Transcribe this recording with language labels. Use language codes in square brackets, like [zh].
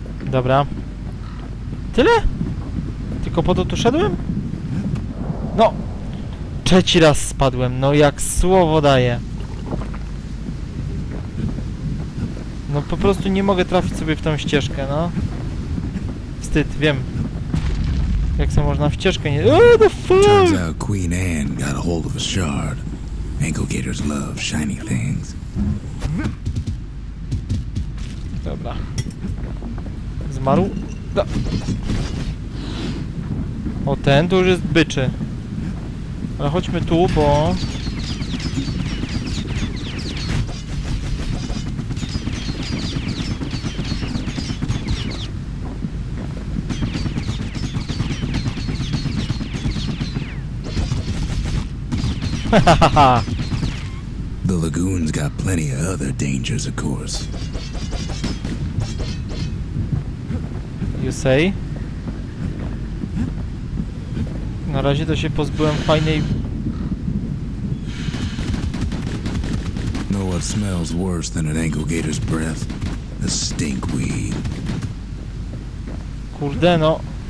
[pl] Dobra. Tyle? Tylko po to tu szedłem? No. Trzeci raz spadłem. No jak słowo daję. No po prostu nie mogę trafić sobie w tą ścieżkę, no. Wstyd, wiem. Jak se można w ścieżkę nie... [en] Oh, the fuck! Turns out Queen Anne got a hold of a shard. Ankle gators love shiny things. [pl] Dobra. Zmarł? Da. O, ten tu już jest byczy. Ale chodźmy tu, bo... [en] The lagoon's got plenty of other dangers, of course. You say? [pl] Na razie to się pozbyłem fajnej. [en] Know what smells worse than an ankle gator's breath? A stinkweed. [pl] Kurde, no.